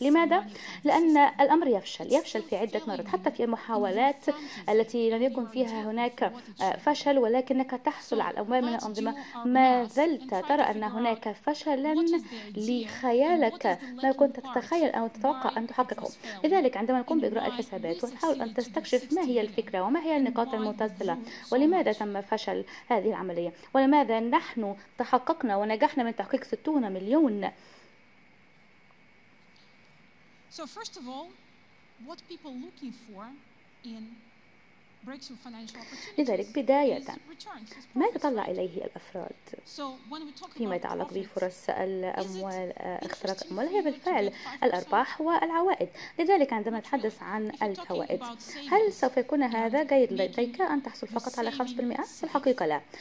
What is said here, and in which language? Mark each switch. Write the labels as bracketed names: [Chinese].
[Arabic] لماذا؟ لأن الأمر يفشل في عدة مرات، حتى في المحاولات التي لم يكن فيها هناك فشل، ولكنك تحصل على الأموال من الأنظمة، ما زلت ترى أن هناك فشلا لخيالك، ما كنت تتخيل أو تتوقع أن تحققه. لذلك عندما نقوم بإجراء الحسابات وتحاول أن تستكشف ما هي الفكرة وما هي النقاط المتصلة، ولماذا تم فشل هذه العملية، ولماذا نحن تحققنا ونجحنا من تحقيق 60 مليون. [English] So first of all, what people looking for in breakthrough financial opportunities. [Arabic] لذلك بداية ما يطلع إليه الأفراد فيما يتعلق بفرص الأموال، اختراق الأموال، هي بالفعل الأرباح والعوائد. لذلك عندما نتحدث عن الفوائد، هل سوف يكون هذا جيد لديك أن تحصل فقط على 5%؟ في الحقيقة لا.